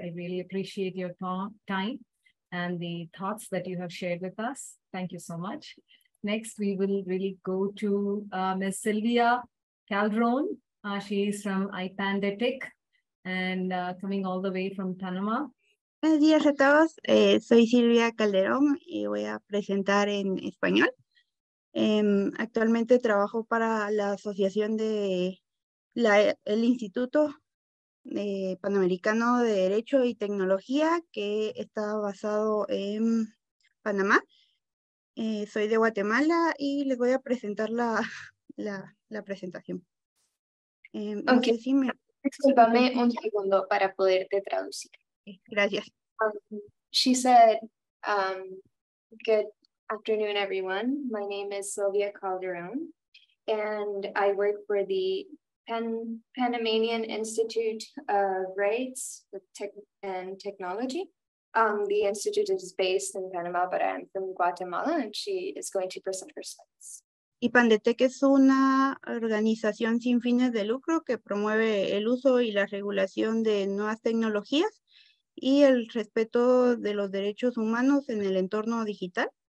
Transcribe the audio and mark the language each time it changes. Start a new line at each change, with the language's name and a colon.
English: I really appreciate your time and the thoughts that you have shared with us. Thank you so much. Next, we will really go to Ms. Sylvia Calderon. She is from IPANDETIC and coming all the way from Panama.
Spanish: Buenos días a todos. Soy Silvia Calderón y voy a presentar en español. Actualmente trabajo para la asociación de el Instituto Panamericano de Derecho y Tecnología, que está basado en Panamá. Soy de Guatemala y les voy a presentar la presentación. Aunque okay. No sé si discúlpame un segundo para poderte traducir. Gracias.
English: She said, good afternoon, everyone. My name is Sylvia Calderon, and I work for the Panamanian Institute of Rights and Technology. The institute is based in Panama, but I'm from Guatemala, and she is going to present her slides.
Spanish: IPANDETIC es una organización sin fines de lucro que promueve el uso y la regulación de nuevas tecnologías y el respeto de los derechos humanos en el entorno digital.